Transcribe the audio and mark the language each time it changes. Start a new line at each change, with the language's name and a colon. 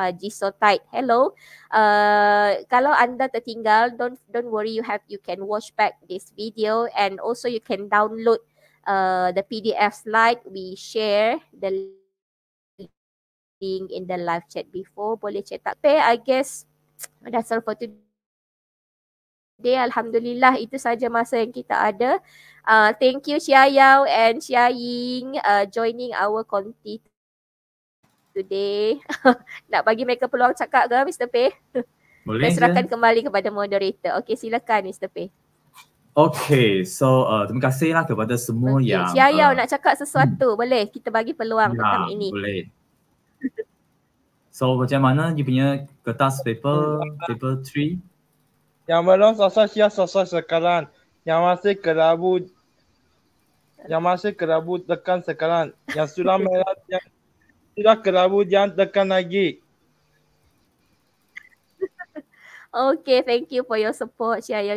Malay: Jisoo Tide, hello. Kalau anda tertinggal,
English: don't worry. You can watch back this video and also you can download the PDF slide. We share the link in the live chat before.
Malay: Boleh cetak.
English: But I guess that's all for today.
Malay: Day, alhamdulillah, itu saja masa yang kita ada.
English: Thank you Chia Yau and Chia Ying joining our conti today.
Malay: Nak bagi mereka peluang cakap ke Mr. Pei? Boleh. Saya serahkan kembali kepada moderator. Okey, silakan Mr. Pei. Okey, so terima kasihlah kepada semua okay. Yang Chia Yau nak cakap sesuatu. Boleh kita bagi peluang ya, petang ini. Boleh. So macam mana you punya kertas paper 3? Yang belum selesai siap selesai sekarang. Yang masih kelabu. Yang masih kelabu tekan sekarang. Yang sudah merah yang sudah kelabu jangan tekan lagi.
English: Okay, thank you for your support Chia Yau.